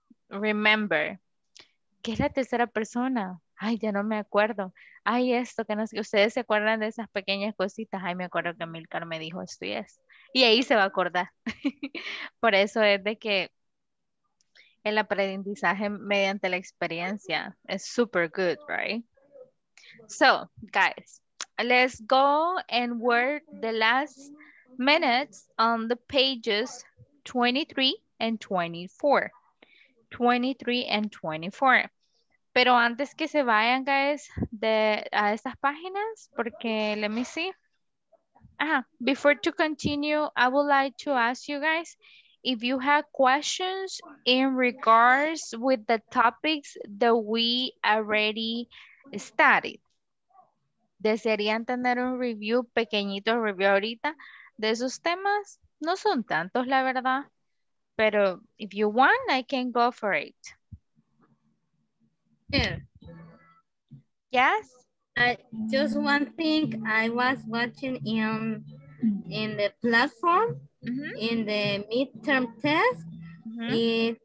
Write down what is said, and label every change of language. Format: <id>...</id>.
<es>Remember, ¿qué es la tercera persona? Ay, ya no me acuerdo. ay, esto, que no sé, ustedes se acuerdan de esas pequeñas cositas. Ay, me acuerdo que Milcar me dijo esto y eso. Y ahí se va a acordar. Por eso es de que el aprendizaje mediante la experiencia es</es> <en>super good, right? So, guys, let's go and work the last minutes on the pages 23 and 24. 23 and 24.</en> <es>Pero antes que se vayan, guys, de a esas páginas, porque</es> <en>let me see. Before to continue, I would like to ask you guys if you have questions in regards with the topics that we already studied.</en> <es>¿Desearían tener un review, pequeñito review ahorita de esos temas? No son tantos, la verdad.</es> <en>Pero if you want, I can go for it. Yes? Just one thing, I was watching in the platform, mm-hmm. in the midterm test. Mm-hmm.</en>